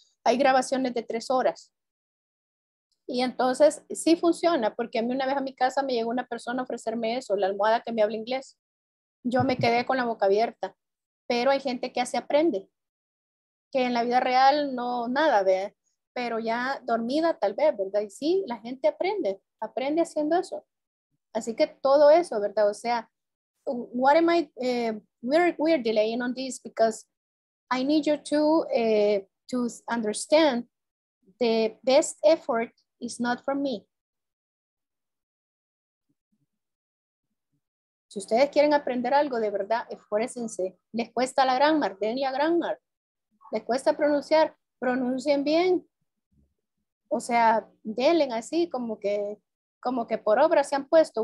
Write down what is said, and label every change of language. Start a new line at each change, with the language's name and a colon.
Spanish: Hay grabaciones de 3 horas. Y entonces sí funciona, porque a mí una vez a mi casa me llegó una persona a ofrecerme eso, la almohada que me habla inglés. Yo me quedé con la boca abierta, pero hay gente que así aprende, que en la vida real no nada, ¿verdad? Pero ya dormida tal vez, ¿verdad? Y sí, la gente aprende haciendo eso. Así que todo eso, ¿verdad? O sea,
English: what am I, we're delaying on this because I need you to understand the best effort is not for me.
Spanish: Si ustedes quieren aprender algo de verdad, esfuércense. Les cuesta la grammar, denle a grammar. Les cuesta pronunciar, pronuncien bien. O sea, denle así como que por obra se han puesto.